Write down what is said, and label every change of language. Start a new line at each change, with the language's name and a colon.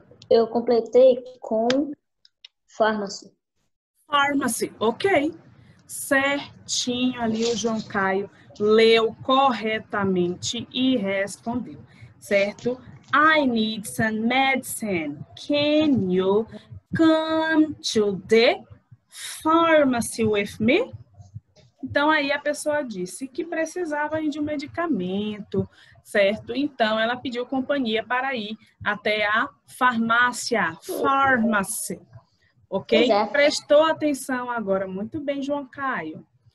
Portuguese: Eu completei com pharmacy.
English: Pharmacy, ok.
Portuguese: Certinho ali, o João Caio leu corretamente e respondeu, certo?
English: I need some medicine. Can you come to the pharmacy with me?
Portuguese: Então, aí a pessoa disse que precisava de um medicamento, certo? Então, ela pediu companhia para ir até a farmácia, pharmacy. Ok? É. Prestou atenção agora. Muito bem, João Caio.